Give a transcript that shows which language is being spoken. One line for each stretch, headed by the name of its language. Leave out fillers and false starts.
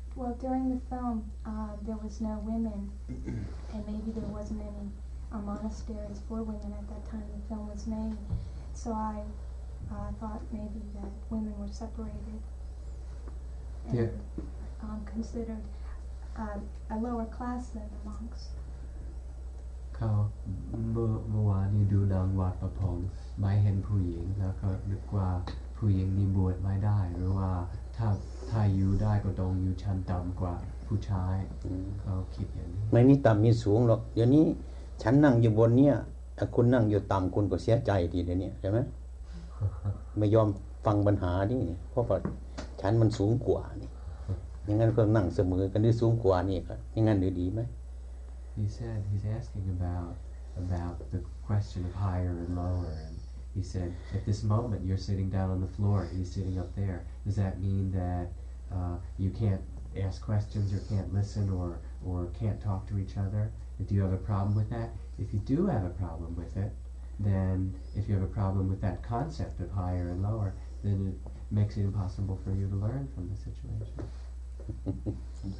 English: Well, during the film, there was no women, and maybe there wasn't any monasteries for women at that time the film was made. So I thought maybe that women were separated and considered a lower class than the monks.
Thai: ก็เมื่อวานนี้ดูนางวัดประพงษ์ไม่เห็นผู้หญิงแล้วก็นึกว่าผู้หญิงนี่บวชไม่ได้หรือว่าถ้าอยู่ได้ก็ต้องอยู่ชั้นต่ำกว่าผู้ชายเขาคิดอย่างนี้ไม่มีต่ำมีสูงหรอกเดี๋ยวนี้ฉันนั่งอยู่บนเนี้ยถ้าคุณนั่งอยู่ต่ำคุณก็เสียใจทีเดียวนี้ใช่ไหมไม่ยอมฟังปัญหานี่เพราะว่าฉันมันสูงกว่านี่อย่างนั้นก็นั่งเสมอกันที่สูงกว่านี่ก็อย่างนั้นดีไหม
English: He said he's asking about the question of higher and lower and he said at this moment you're sitting down on the floor he's sitting up there does that mean that you can't ask questions or can't listen or can't talk to each other do you have a problem with that if you do have a problem with itthen if you have a problem with that concept of higher and lower then it makes it impossible for you to learn from the situation